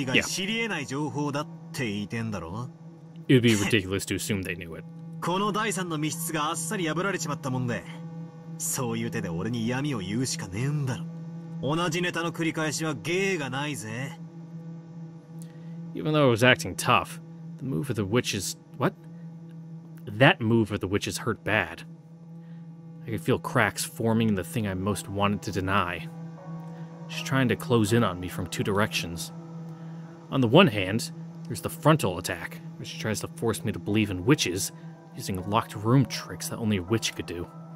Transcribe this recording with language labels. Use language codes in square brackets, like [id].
[en] It would be ridiculous to assume they knew it. [ja] この第三の密室があっさり破られちまったもんでそういう手で俺に闇を言うしかねえんだろ。同じネタの繰り返しは芸がないぜ。 [en] Even though I was acting tough, the move of the witches... What? That move of the witches hurt bad. I could feel cracks forming in the thing I most wanted to deny. She's trying to close in on me from two directions. On the one hand, there's the frontal attack, where she tries to force me to believe in witches, using locked room tricks that only a witch could do.